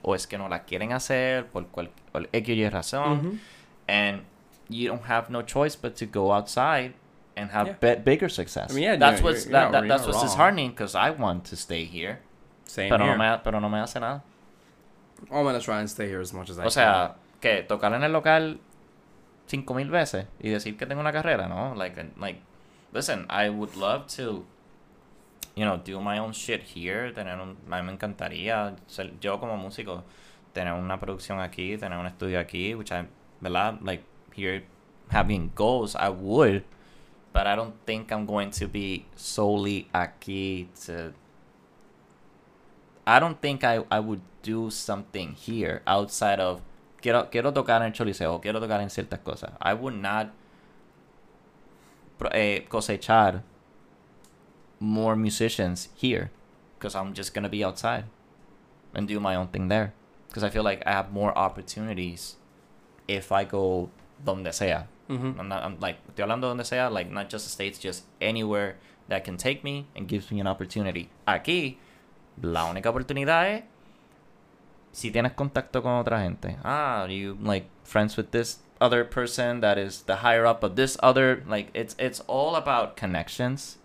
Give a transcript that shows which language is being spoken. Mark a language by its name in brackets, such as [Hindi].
[Spanish] O es que no la quieren hacer por X razón. Mm-hmm. [English] And you don't have no choice but to go outside and have bigger success. I mean, yeah, that's what's disheartening, because I want to stay here. [Spanish] Same pero here. Pero no me hace nada. [English] I'm going to try and stay here as much as I can. [Spanish] O sea, que tocar en el local 5,000 veces y decir que tengo una carrera, ¿no? [English] Like, listen, I would love to, you know, do my own shit here. [Spanish] Me encantaría ser, yo como músico, tener una producción aquí, tener un estudio aquí, [English] which I, [Spanish] ¿verdad? [English] Like, here having goals, I would, but I don't think I'm going to be solely aquí to, I don't think I would do something here outside of [Spanish] quiero tocar en el Choliseo, quiero tocar en ciertas cosas. [English] I would not cosechar more musicians here, because I'm just going to be outside and do my own thing there. Because I feel like I have more opportunities if I go [Spanish] donde sea. [English] Mm-hmm. [Spanish] Estoy hablando donde sea, [English] like, not just the States, just anywhere that can take me and gives me an opportunity. [Spanish] Aquí, la única oportunidad es si tienes contacto con otra gente. [English] Ah, you, like, friends with this other person that is the higher up of this other, like, it's all about connections.